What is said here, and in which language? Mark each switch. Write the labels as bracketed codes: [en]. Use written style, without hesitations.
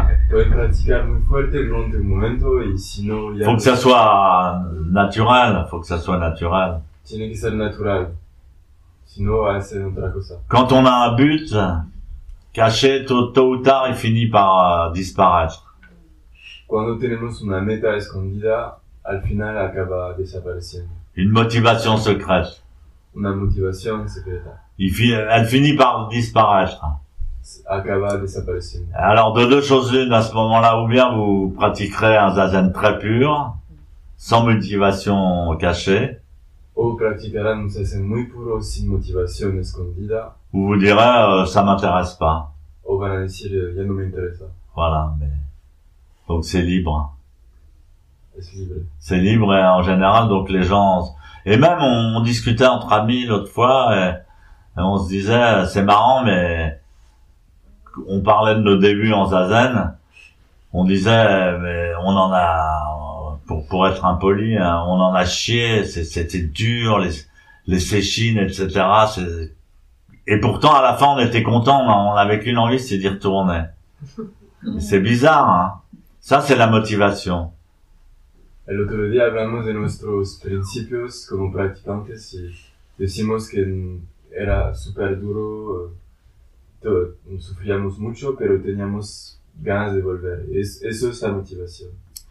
[es] Pueden practicar muy fuerte durante un momento y si no, ya [fr] Faut que [es] no. [fr] ça soit naturel, faut que ça soit naturel. [es] Tiene que ser natural. Si no, hacen otra cosa. [fr] Quand on a un but caché, tôt ou tard, il finit par disparaître. [es] Cuando tenemos una meta escondida, al final acaba desapareciendo. [fr] Une motivation secrète. [es] Una motivación secreta. [fr] Elle finit par disparaître. [es] Acaba desapareciendo. [fr] Alors de deux choses l'une, à ce moment-là, ou bien vous pratiquerez un zazen très pur, sans motivation cachée. Ou pratiquerez un [es] zazen muy puro sin motivación escondida. [fr] Ou vous direz, ça m'intéresse pas. [es] Ou van a decir, ya no me interesa. [fr] Voilà, mais donc c'est libre. C'est libre. C'est libre, et en général, donc les gens... Et même, on discutait entre amis l'autre fois, et on se disait, c'est marrant, mais on parlait de nos débuts en zazen, on disait, mais on en a, pour être impoli, hein, on en a chié, c'était dur, les séchines, etc. Et pourtant, à la fin, on était contents, on avait qu'une envie, c'est d'y retourner. C'est bizarre, hein. Ça, c'est la motivation. [es] El otro día hablamos de nuestros principios como practicantes y decimos que era súper duro, sufríamos mucho, pero teníamos ganas de volver. Eso es la motivación.